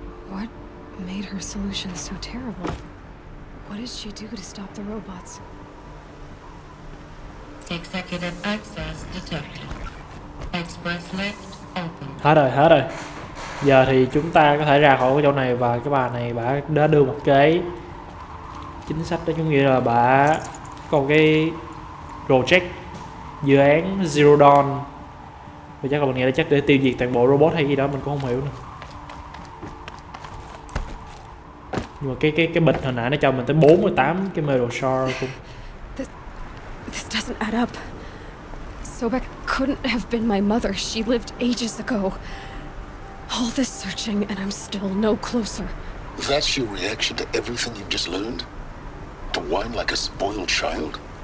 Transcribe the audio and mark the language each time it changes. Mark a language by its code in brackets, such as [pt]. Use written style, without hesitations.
[en] What made her solution so terrible? What did she do to stop the robots? Executive access detected. Express lift open. [vi] Hết rồi. Giờ thì chúng ta có thể ra khỏi cái chỗ này và cái bà này bà đã đưa một cái chính sách đó, chúng nghĩa là bà còn cái project dự án Zero Dawn. Và chắc là mình nghĩ là chắc để tiêu diệt toàn bộ robot hay gì đó, mình cũng không hiểu nữa. Nhưng mà cái bịch hồi nãy nó cho mình tới 48 cái Metal Shard cũng. [en] This doesn't add up. Sobek couldn't have been my mother. She lived ages ago. All this searching, and I'm still no closer. That's your reaction to everything you've just learned? To whine like a spoiled child?